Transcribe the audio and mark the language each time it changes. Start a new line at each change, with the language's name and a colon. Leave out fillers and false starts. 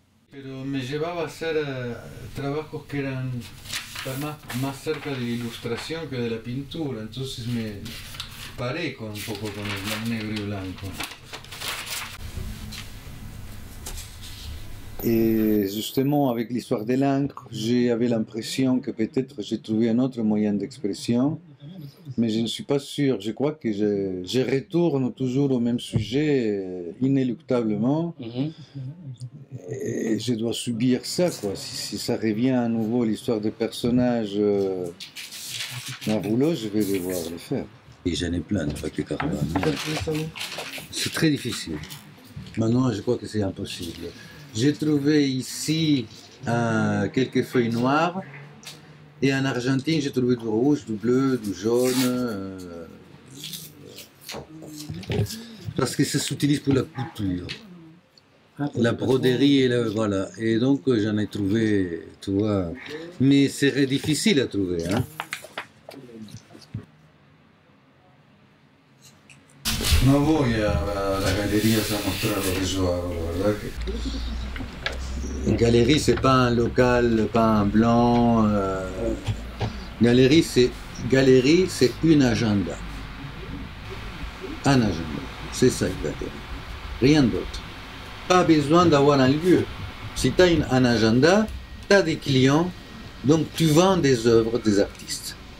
Spanish: Pero me llevaba a hacer trabajos que eran más cerca de la ilustración que de la pintura, entonces me paré un poco con el negro y blanco.
French: Et justement, avec l'histoire de l'encre, j'avais l'impression que peut-être j'ai trouvé un autre moyen d'expression, mais je ne suis pas sûr. Je crois que je retourne toujours au même sujet, inéluctablement. Et je dois subir ça, quoi. Si ça revient à nouveau, l'histoire des personnages d'un rouleau, je vais devoir le faire. Et j'en ai plein, pas que Carbone. C'est très difficile. Maintenant, je crois que c'est impossible. J'ai trouvé ici quelques feuilles noires et en Argentine j'ai trouvé du rouge, du bleu, du jaune. Parce que ça s'utilise pour la couture, la broderie et voilà. Et donc j'en ai trouvé, tu vois. Mais c'est difficile à trouver, hein.
Spanish: No voy a las galerías a mostrar lo que yo hago, la verdad que...
French: Galerie, c'est pas un local, pas un blanc. Galerie, c'est une agenda. Un agenda, c'est ça une galerie. Rien d'autre. Pas besoin d'avoir un lieu. Si tu as un agenda, tu as des clients, donc tu vends des œuvres des artistes.